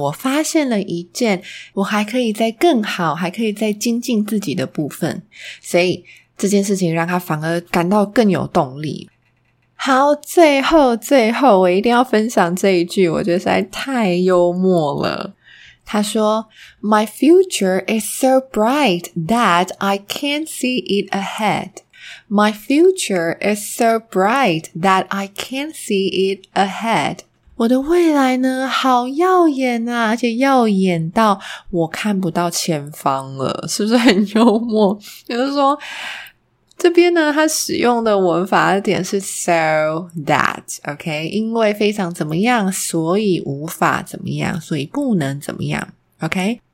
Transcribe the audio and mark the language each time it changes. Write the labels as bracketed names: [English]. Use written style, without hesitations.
[Chinese] 我发现了一件我还可以再更好，还可以再精进自己的部分，所以这件事情让他反而感到更有动力。好，最后最后我一定要分享这一句，我觉得实在太幽默了。他说 [English] My future is so bright that I can't see it ahead. My future is so bright that I can't see it ahead. [Chinese] 我的未来呢，好耀眼啊，而且耀眼到我看不到前方了，是不是很幽默？就是说这边呢，它使用的文法的点是 so that, OK? 因为非常怎么样，所以无法怎么样，所以不能怎么样， OK?